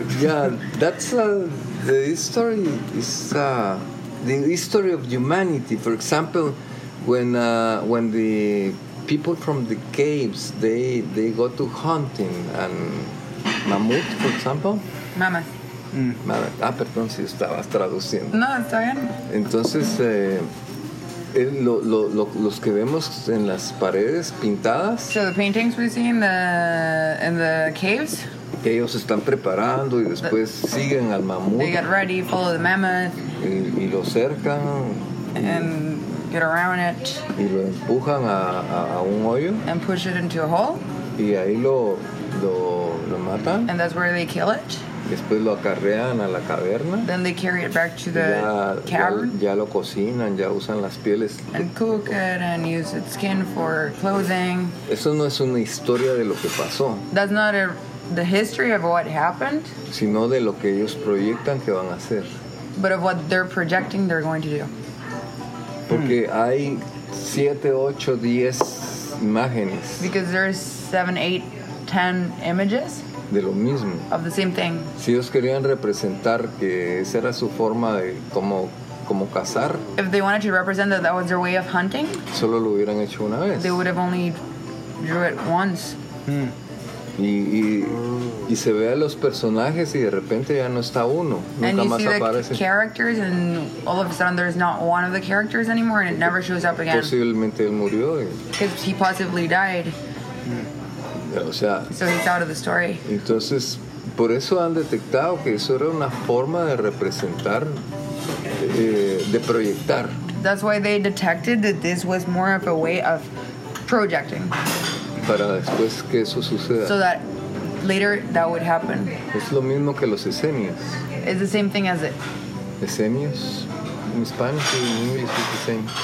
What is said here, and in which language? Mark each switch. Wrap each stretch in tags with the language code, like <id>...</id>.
<en>Yeah, that's the history is the history of humanity. For example, when the people from the caves, they go to hunting, and mammoth, for example? Mammoth.</en> <es>Mammoth. Ah, perdón, si estabas traduciendo. No, está bien. Entonces, los que vemos en las paredes pintadas.</es> <en>So the paintings we see in the caves?</en> <es>Que ellos están preparando y después siguen al mammoth.</es> <en>They get ready, follow the mammoth.</en> <es>Y lo cercan.</es> <en>And get around it.</en> <es>Y lo empujan a un hoyo.</es> <en>And push it into a hole.</en> <es>Y ahí lo matan.</es> <en>And that's where they kill it.</en> <es>Después lo acarrean a la caverna.</es> <en>Then they carry it back to the cavern.</en> <es>Ya lo cocinan, ya usan las pieles.</es> <en>And cook it and use its skin for clothing.</en> <es>Eso no es una historia de lo que pasó.</es> <en>That's not the history of what happened.</en> <es>Sino de lo que ellos proyectan que van a hacer.</es> <en>But of what they're projecting they're going to do.</en> <es>Porque hay 7, 8, 10 imágenes.</es> <en>Because there are 7, 8, 10 images.</en> <es>De lo mismo.</es> <en>Of the same thing.</en> <es>Si ellos querían representar que esa era su forma de como cazar.</es> <en>If they wanted to represent that was their way of hunting.</en> <es>Solo lo hubieran hecho una vez.</es> <en>They would have only drew it once.</en> <es>Y se ve a los personajes y de repente ya no está uno.</es> <en>And</en> <es>nunca</es> <en>you see</en> <es>más</es> <en>the</en> <es>aparece.</es> <en>Characters and all of a sudden there's not one of the characters anymore and it never shows up again.</en> <es>Posiblemente él murió.</es> <en>Because he possibly died.</en> <es>O sea,</es> <en>so he's out of the story.</en> <es>Entonces, por eso han detectado que eso era una forma de representar, de proyectar.</es> <en>That's why they detected that this was more of a way of projecting.</en> <es>Para después que eso suceda.</es> <en>So that later that would happen.</en> <es>Es lo mismo que los esenios.</es> <en>It's the same thing as it. Esenios. In Spanish, in English, it's the same.</en>